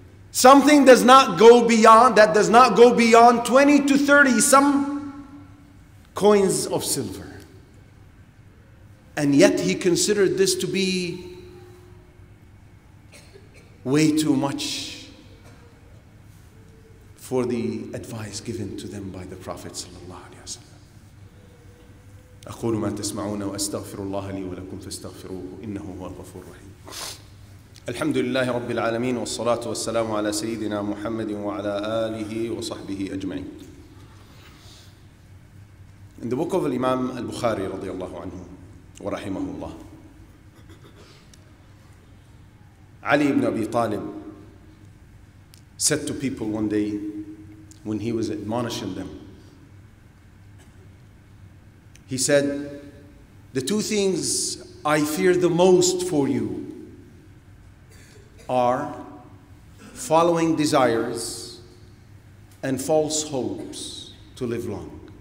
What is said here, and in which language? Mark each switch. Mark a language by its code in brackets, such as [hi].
[en] Something does not go beyond 20 to 30 some coins of silver. And yet he considered this to be way too much for the advice given to them by the Prophet sallallahu alaihi wasallam. [ar] أقول ما تسمعون وأستغفر الله لي ولكم فاستغفروه إنه هو الغفور الرحيم. الحمد لله رب العالمين والصلاة والسلام على سيدنا محمد وعلى آله وصحبه أجمعين. [en] In the book of Imam al-Bukhari [ar] رضي الله عنه ورحمه الله, [en] علي بن أبي طالب said to people one day when he was admonishing them, he said, the two things I fear the most for you are following desires and false hopes to live long.